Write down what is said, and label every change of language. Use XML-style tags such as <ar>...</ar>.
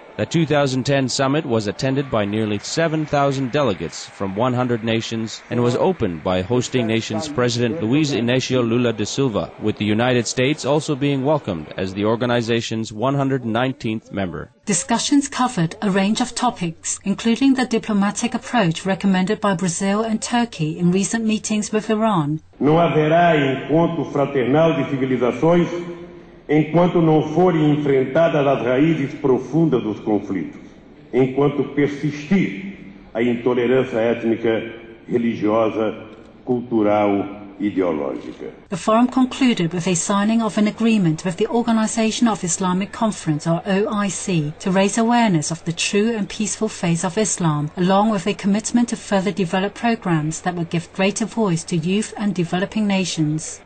<en>The 2010 summit was attended by nearly 7,000 delegates from 100 nations and was opened by hosting nations President Luiz Inácio Lula da Silva, with the United States also being welcomed as the organization's 119th member. Discussions covered a range of topics, including the diplomatic approach recommended by Brazil and Turkey in recent meetings with Iran.</en> <pt>Não haverá encontro fraternal de civilizações enquanto não forem enfrentadas as raízes profundas dos conflitos, enquanto persistir a intolerância étnica, religiosa, cultural e ideológica.</pt> <en>The forum concluded with a signing of an agreement with the Organization of Islamic Conference, or OIC, to raise awareness of the true and peaceful faith of Islam, along with a commitment to further develop programs that would give greater voice to youth and developing nations.</en>